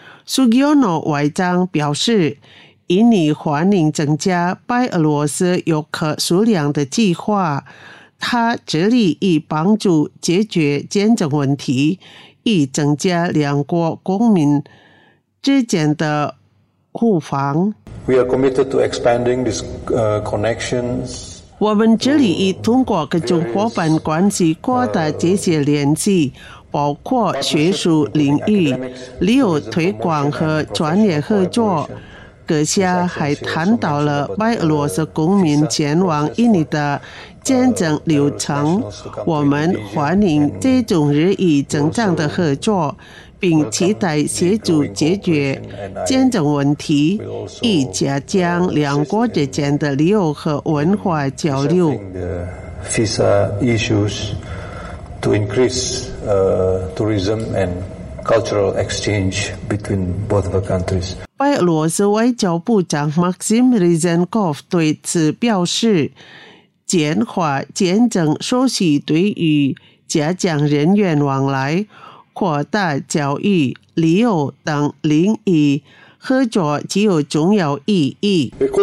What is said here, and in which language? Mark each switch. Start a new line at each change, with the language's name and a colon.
Chinese: 苏吉奥诺外长表示，印尼欢迎增加白俄罗斯游客数量的计划，他致力以帮助解决签证问题，以增加两国公民之间的互访。
English: We are committed to expanding these connections.
Chinese: 我们致力以通过各种伙伴关系扩大这些联系，包括学术领域、旅游推广和专业合作。阁下还谈到了白俄罗斯公民前往印尼的签证流程，我们欢迎这种日益增长的合作，并期待协助解决签证问题，以加强两国之间的旅游和文化交流。
English: Visa issues to increase tourism and cultural exchange between both of the countries.
Chinese: 白俄罗斯外交部长 Maxim Rizenkov 对此表示，简化签证手续对于加强人员往来、扩大交易、旅游等领域合作具有重要意义。